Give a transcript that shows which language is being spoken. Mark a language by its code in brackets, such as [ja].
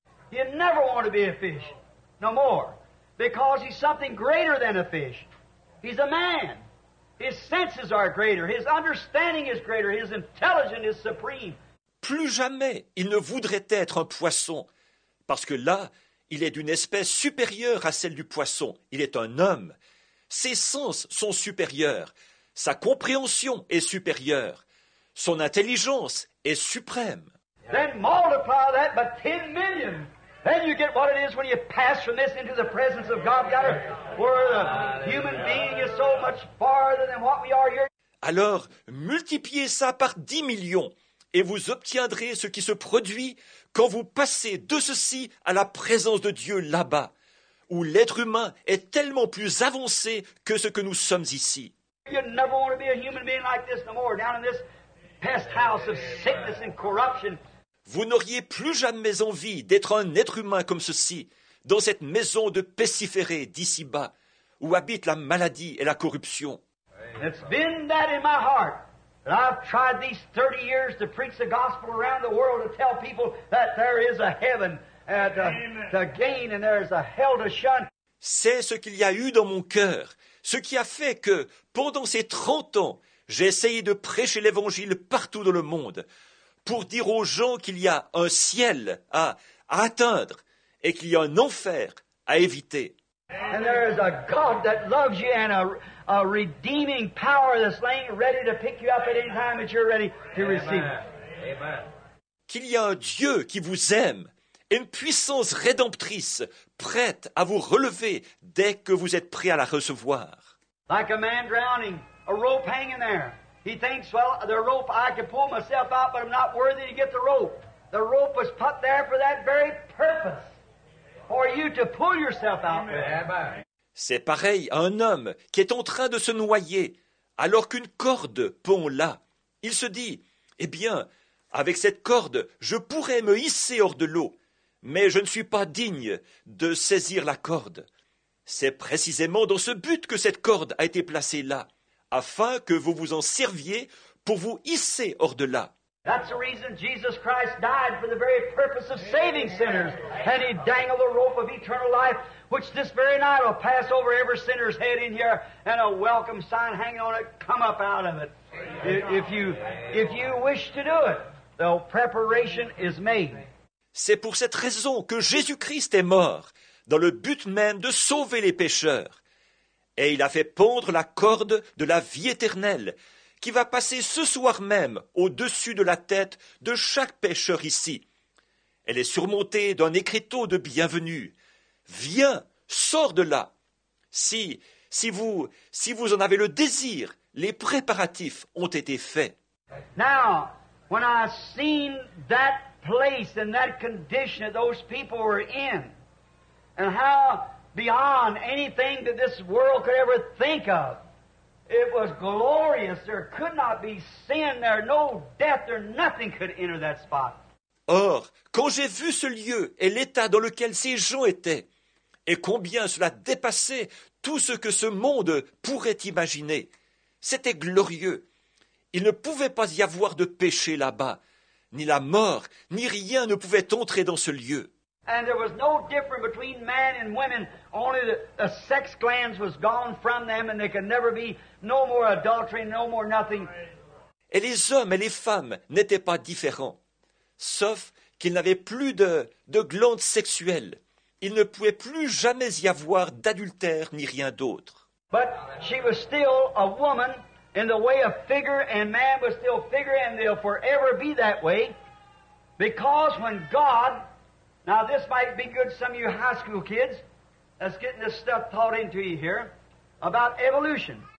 [en] He'd never want to be a fish, no more. Because he's something greater than a fish. He's a man. His senses are greater. His understanding is greater. His intelligence is supreme. [fr] Plus jamais il ne voudrait être un poisson, parce que là, il est d'une espèce supérieure à celle du poisson. Il est un homme. Ses sens sont supérieurs. Sa compréhension est supérieure. Son intelligence est suprême. [en] Then multiply that by 10 million. Then you get what it is when you pass from this into the presence of God, where the human being is so much farther than what we are here. [fr] Alors, multipliez ça par 10 millions et vous obtiendrez ce qui se produit quand vous passez de ceci à la présence de Dieu là-bas, où l'être humain est tellement plus avancé que ce que nous sommes ici. [en] You never want to be a human being like this no more, down in this pest house of sickness and corruption. [fr] Vous n'auriez plus jamais envie d'être un être humain comme ceci, dans cette maison de pestiférés d'ici-bas, où habitent la maladie et la corruption. [en] It's been that in my heart. I've tried these 30 years to preach the gospel around the world to tell people that there is a heaven to gain and there is a hell to shun. [fr] C'est ce qu'il y a eu dans mon cœur, ce qui a fait que, pendant ces 30 ans, j'ai essayé de prêcher l'évangile partout dans le monde, pour dire aux gens qu'il y a un ciel à atteindre et qu'il y a un enfer à éviter. [en] And there is a God that loves you and a redeeming power that's laying ready to pick you up at any time that you're ready to receive. Amen. [fr] Qu'il y a un Dieu qui vous aime et une puissance rédemptrice prête à vous relever dès que vous êtes prêt à la recevoir. [en] Like a man drowning, a rope hanging there. He thinks, well, the rope, I can pull myself out, but I'm not worthy to get the rope. The rope was put there for that very purpose. For you to pull yourself out. [fr] C'est pareil à un homme qui est en train de se noyer alors qu'une corde pend là. Il se dit, eh bien, avec cette corde, je pourrais me hisser hors de l'eau, mais je ne suis pas digne de saisir la corde. C'est précisément dans ce but que cette corde a été placée là, afin que vous vous en serviez pour vous hisser hors de là. [en] That's the reason Jesus Christ died for the very purpose of saving sinners. And he dangled the rope of eternal life, which this very night will pass over every sinner's head in here, and a welcome sign hanging on it, come up out of it. If you wish to do it, the preparation is made. [fr] C'est pour cette raison que Jésus-Christ est mort, dans le but même de sauver les pécheurs. Et il a fait pendre la corde de la vie éternelle, qui va passer ce soir même au-dessus de la tête de chaque pécheur ici. Elle est surmontée d'un écriteau de bienvenue. Viens, sors de là. Si vous en avez le désir, les préparatifs ont été faits. [en] Now, when I seen that place and that condition that those people were in, and how beyond anything that this world could ever think of, it was glorious. There could not be sin there, no death, there nothing could enter that spot. [fr] Or, quand j'ai vu ce lieu et l'état dans lequel ces gens étaient, et combien cela dépassait tout ce que ce monde pourrait imaginer, c'était glorieux. Il ne pouvait pas y avoir de péché là-bas, ni la mort, ni rien ne pouvait entrer dans ce lieu. [en] And there was no difference between man and women, only the sex glands was gone from them and they could never be no more adultery, no more nothing. [fr] Et les hommes et les femmes n'étaient pas différents, sauf qu'ils n'avaient plus de glandes sexuelles. Il ne pouvait plus jamais y avoir d'adultère ni rien d'autre. [en] But she was still a woman in the way of figure, and man was still figure, and they'll forever be that way, because when God... Now this might be good to some of you high school kids that's getting this stuff taught into you here about evolution.